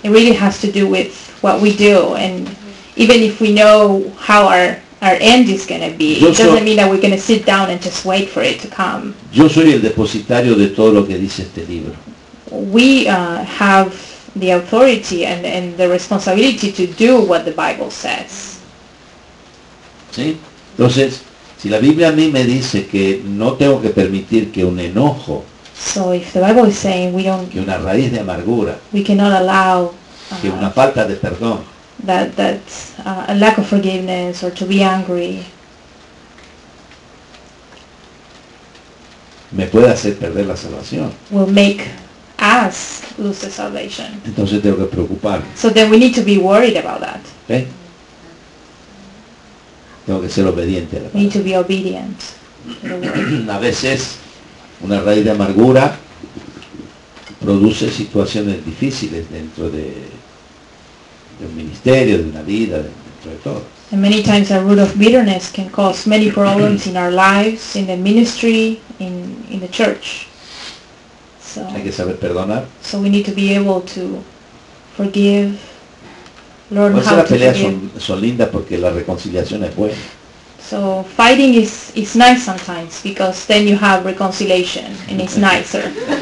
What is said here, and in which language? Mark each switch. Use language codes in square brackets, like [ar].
[en] It really has to do with what we do, and even if we know how our end is going to be, it doesn't mean that we're going to sit down and just wait for it to come. [es] Yo soy el depositario de todo lo que dice este libro. [en] We have the authority and the responsibility to do what the Bible says. [es] ¿Sí? Entonces, si la Biblia a mí me dice que no tengo que permitir que un enojo, [en] so if the Bible is saying we don't, [es] que una raíz de amargura, [en] we cannot allow, [es] que una falta de perdón, [en] that a lack of forgiveness or to be angry, [es] me puede hacer perder la salvación. [en] Will make us lose the salvation. [es] Entonces tengo que preocuparme. [en] So then we need to be worried about that. ¿Okay? [es] Tengo que ser obediente. [en] We need to be obedient. [es] A veces una raíz de amargura produce situaciones difíciles dentro de un ministerio, de una vida, dentro de todo. [en] And many times a root of bitterness can cause many problems in our lives, in the ministry, in the church. So, [es] hay que saber perdonar. [en] So we need to be able to forgive, learn how to forgive. [es] Las peleas son lindas porque la reconciliación es buena. [en] So fighting is nice sometimes because then you have reconciliation and it's nicer.